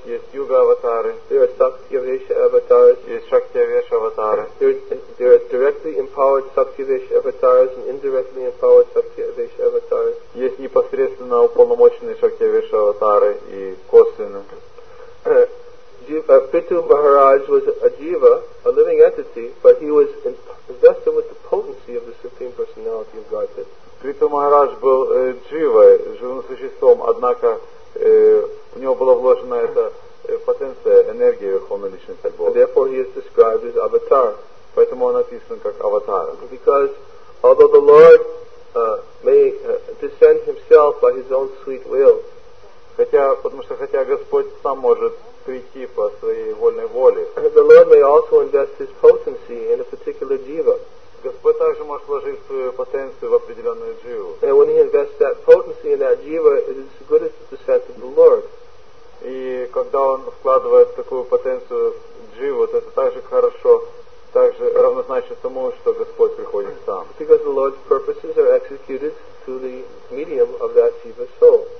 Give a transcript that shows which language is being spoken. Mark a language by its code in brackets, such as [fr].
[ru] Есть Юга аватары. [en] There are Сактьявеша avatars. [ru] Есть Сактьявеша аватары. [en] There are directly empowered Сактьявеша avatars and indirectly empowered Сактьявеша avatars. [ru] Есть непосредственно уполномоченные Сактьявеша аватары и косвенно. [en] Pitu Maharaj was a jiva, a living entity, but he was invested with the potency of the Supreme Personality of Godhead. [ru] Притом Махарадж был дживой, живым существом, однако в него была вложена эта потенция, энергия Верховной Личности Бога. [en] And therefore he is described as avatar. [ru] Поэтому он описан как аватар. [en] Because although the Lord may descend himself by his own sweet will, [ru] хотя Господь сам может прийти по своей вольной воле, [en] the Lord may also invest his potency in a particular jiva. [ru] Господь также может вложить свою потенцию в определенную дживу. [en] And when he invests that potency in that jiva, it is as good as the descent of the Lord. [ru] И когда он вкладывает такую потенцию в дживу, то это также хорошо, также равнозначно тому, что Господь приходит сам. [en] Because the Lord's purposes are executed through the medium of that jiva soul.